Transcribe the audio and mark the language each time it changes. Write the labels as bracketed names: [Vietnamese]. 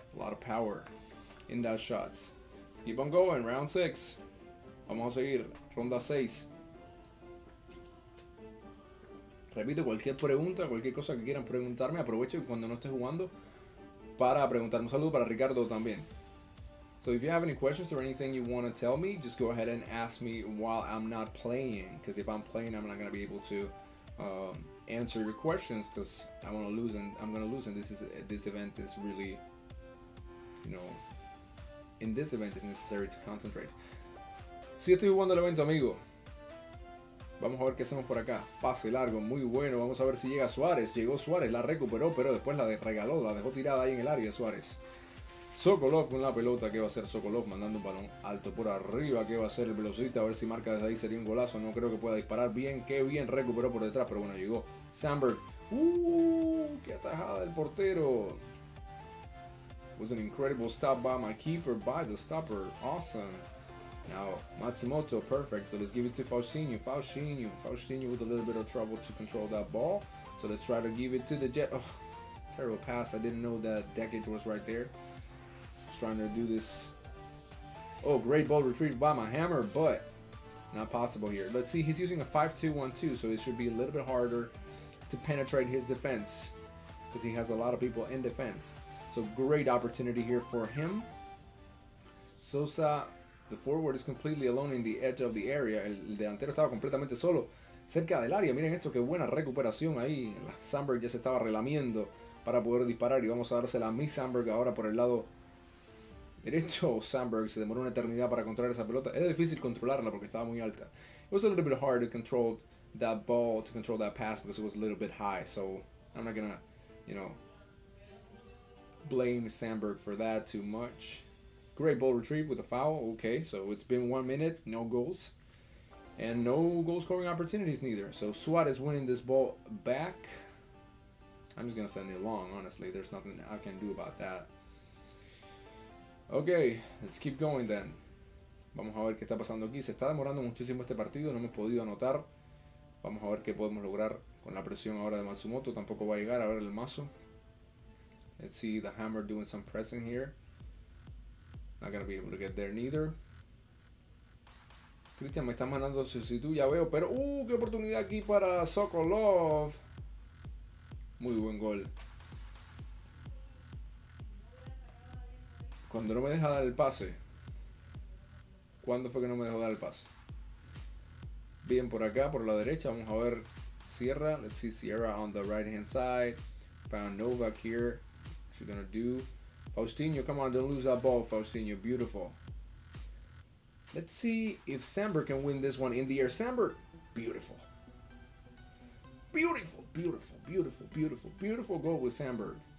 [English] A lot of power in that shot. Let's keep on going. Round 6. [Spanish] Vamos a seguir. Ronda 6. Repito, cualquier pregunta, cualquier cosa que quieran preguntarme, aprovecho cuando no esté jugando para preguntarme. Un saludo para Ricardo también. [English] So if you have any questions or anything you want to tell me, just go ahead and ask me while I'm not playing. Because if I'm playing, I'm not going to be able to answer your questions because I'm going to lose. And this event is really, you know, in this event it's necessary to concentrate. [Spanish] Si estoy jugando el evento, amigo. Vamos a ver qué hacemos por acá. Pase largo, muy bueno. Vamos a ver si llega Suárez. Llegó Suárez, la recuperó, pero después la regaló. La dejó tirada ahí en el área, Suárez. Sokolov con la pelota. ¿Qué va a hacer Sokolov? Mandando un balón alto por arriba. ¿Qué va a hacer el velocista? A ver si marca desde ahí. Sería un golazo. No creo que pueda disparar bien. Qué bien recuperó por detrás, pero bueno, llegó Sandberg. ¡Qué atajada del portero! [English] Was an incredible stop by my keeper, by the stopper. Awesome. Now, Matsumoto, perfect. So let's give it to Faustino. Faustino. Faustino with a little bit of trouble to control that ball. So let's try to give it to the Jet. Oh, terrible pass. I didn't know that Dekic was right there. Just trying to do this. Oh, great ball retrieved by my hammer, but not possible here. Let's see. He's using a 5-2-1-2, so it should be a little bit harder to penetrate his defense because he has a lot of people in defense. So great opportunity here for him. Sosa, the forward is completely alone in the edge of the area. [Spanish] El delantero estaba completamente solo cerca del área. Miren esto, qué buena recuperación ahí. Sandberg ya se estaba relamiendo para poder disparar. Y vamos a dársela a Miss Sandberg ahora por el lado derecho. Sandberg se demoró una eternidad para controlar esa pelota. Era difícil controlarla porque estaba muy alta. [English] It was a little bit hard to control that ball, to control that pass, because it was a little bit high. So I'm not gonna, you know, blame Sandberg for that too much. Great ball retrieve with a foul. Okay, so it's been 1 minute, no goals. And no goal scoring opportunities neither. So Suarez winning this ball back. I'm just gonna send it long, honestly. There's nothing I can do about that. Okay, let's keep going then. [Spanish] Vamos a ver qué está pasando aquí. Se está demorando muchísimo este partido, no me he podido anotar. Vamos a ver qué podemos lograr con la presión ahora de Matsumoto. Tampoco va a llegar a ver el mazo. [English] Let's see the hammer doing some pressing here. Not gonna be able to get there neither. [Spanish] Cristian, me está mandando sustituto, ya veo, pero qué oportunidad aquí para Sokolov. Muy buen gol. Cuando no me deja dar el pase. ¿Cuándo fue que no me dejó dar el pase? Bien por acá, por la derecha. Vamos a ver Sierra. [English] Let's see Sierra on the right hand side. Found Novak here. What you gonna do? Faustino, come on, don't lose that ball, Faustino. Beautiful. Let's see if Sandberg can win this one in the air. Sandberg, beautiful. Beautiful, beautiful, beautiful, beautiful, beautiful goal with Sandberg.